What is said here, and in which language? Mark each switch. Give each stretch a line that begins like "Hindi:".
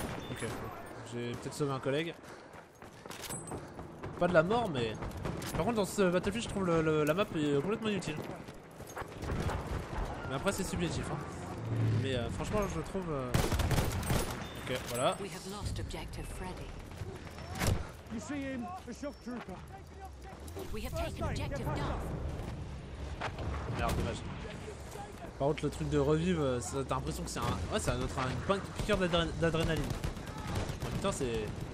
French: Ok, j'ai peut-être sauvé un collègue. Pas de la mort, mais. Par contre, dans ce Battlefield, je trouve la map complètement inutile. Mais après, c'est subjectif, hein. Mais franchement, je trouve. Ok, voilà.
English: We have lost objective Freddy. You see him, a shock trooper. We have taken objective Duff.
French: Merde, dommage. Par contre, le truc de revivre, ça, t'as l'impression que c'est un. Ouais, c'est une pointe piqueur d'adrénaline. Oh, putain, c'est.